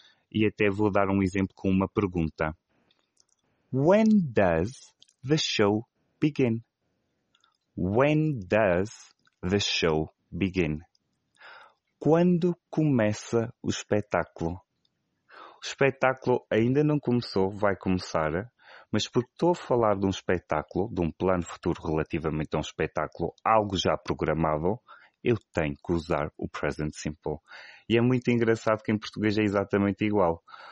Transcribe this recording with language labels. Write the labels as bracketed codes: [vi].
[pt] E até vou dar um exemplo com uma pergunta. [en] When does the show begin? When does the show begin? [pt] Quando começa o espetáculo? O espetáculo ainda não começou, vai começar, mas porque estou a falar de um espetáculo, de um plano futuro relativamente a um espetáculo, algo já programado, eu tenho que usar o present simple. E é muito engraçado que em português é exatamente igual.